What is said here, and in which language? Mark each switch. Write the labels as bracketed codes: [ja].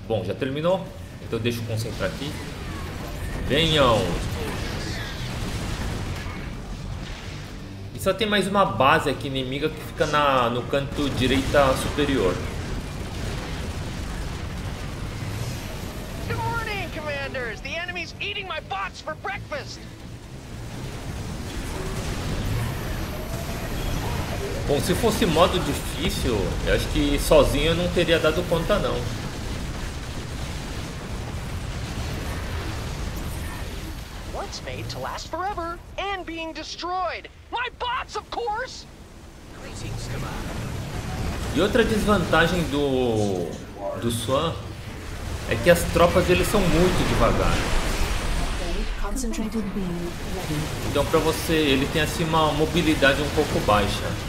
[pt] Bom, já terminou, então deixa eu concentrar aqui. Venham! Só tem mais uma base aqui inimiga que fica no canto direita superior. [en] Good morning, commanders. The enemy's eating my bots for breakfast. [pt] Bom, se fosse modo difícil, eu acho que sozinho eu não teria dado conta não. [en] What's made to last forever and being destroyed? My bots, of course. [pt] E outra desvantagem do Swan é que as tropas deles são muito devagar. Então para você, ele tem assim uma mobilidade um pouco baixa.